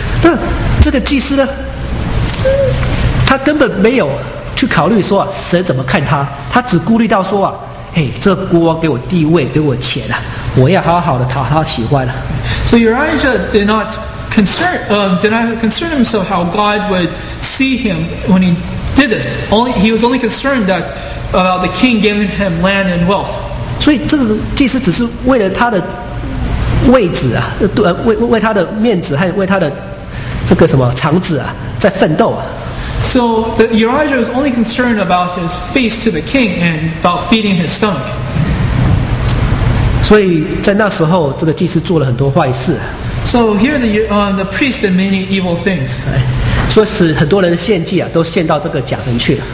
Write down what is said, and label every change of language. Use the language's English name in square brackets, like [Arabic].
[Chinese] 那这个祭司呢，他根本没有。去考虑说、啊、神怎么看他，他只顾虑到说啊，嘿，这国王给我地位，给我钱啊，我要好好的讨他喜欢啊。 [English] So Urijah did not concern himself how God would see him when he did this. Only he was only concerned that about the king giving him land and wealth. [Chinese] 所以这个祭司只是为了他的位置啊，为他的面子，还为他的这个什么肠子啊，在奋斗啊。 [English] So the Urijah was only concerned about his face to the king and about feeding his stomach. [Chinese] 所以在那时候，这个祭司做了很多坏事。 [English] So here the priest did many evil things. [Chinese] 所以使很多人的献祭啊，都献到这个假神去了。